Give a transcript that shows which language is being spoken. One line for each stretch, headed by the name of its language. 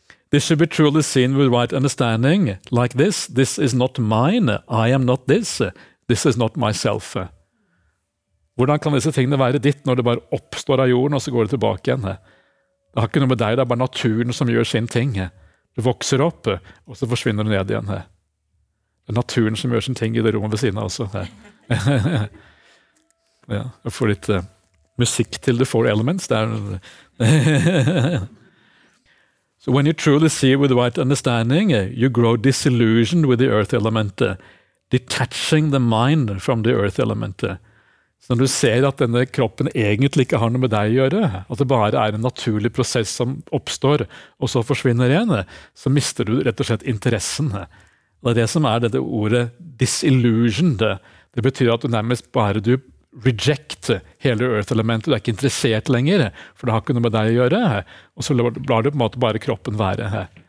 English: This should be truly seen with right understanding, like this. This is not mine, I am not this, this is not myself.
Norwegian: Hvordan kan disse tingene være ditt når det bare oppstår av jorden og så går det tilbake igjen? Det har ikke noe med deg, det er bare naturen som gjør sin ting. Du vokser opp, og så forsvinner du ned igjen. Det er naturen som gjør sin ting i det rommet ved siden av også. Ja, jeg får litt musikk til The Four Elements der.
English: So when you truly see with right understanding, you grow disillusioned with the earth element, detaching the mind from the earth element.
Norwegian: Så når du ser at denne kroppen egentlig ikke har noe med deg å gjøre, at det bare er en naturlig prosess som oppstår, og så forsvinner igjen, så mister du rett og slett interessen. Det er det som er dette ordet disillusioned. Det betyr at du nærmest bare du reject hele earth-elementet, du er ikke interessert lenger, for det har ikke noe med deg å gjøre, og så lar du på en måte bare kroppen være.